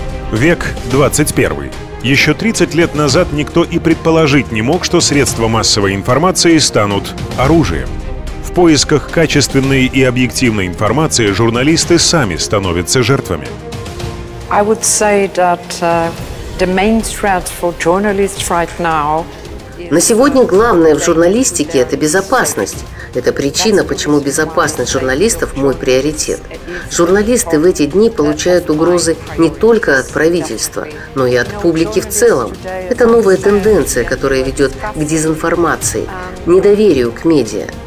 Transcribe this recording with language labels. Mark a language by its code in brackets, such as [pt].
[ru] Век 21. Еще 30 лет назад никто и предположить не мог, что средства массовой информации станут оружием. В поисках качественной и объективной информации журналисты сами становятся жертвами. [en] I would say that the main threat for journalists right now. [ru] На сегодня главное в журналистике – это безопасность. Это причина, почему безопасность журналистов – мой приоритет. Журналисты в эти дни получают угрозы не только от правительства, но и от публики в целом. Это новая тенденция, которая ведет к дезинформации, недоверию к медиа.